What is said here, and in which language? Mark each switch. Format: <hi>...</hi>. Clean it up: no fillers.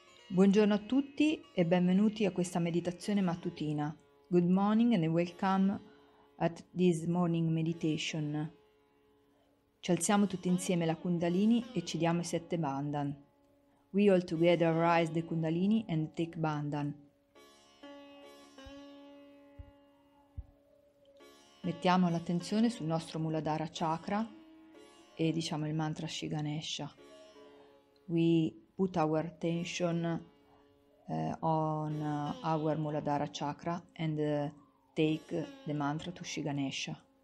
<it>Buongiorno a tutti e benvenuti a questa meditazione mattutina.</it> <en>Good morning and welcome at this morning meditation.</en> <it>Ci alziamo tutti insieme la Kundalini e ci diamo i sette Bandhan.</it> <en>We all together rise the Kundalini and take Bandhan.</en> <it>Mettiamo l'attenzione sul nostro Muladhara Chakra e diciamo il mantra Shri Ganesha.</it> <en>We put our attention on our Muladhara Chakra and take the mantra to Shri Ganesha.</en>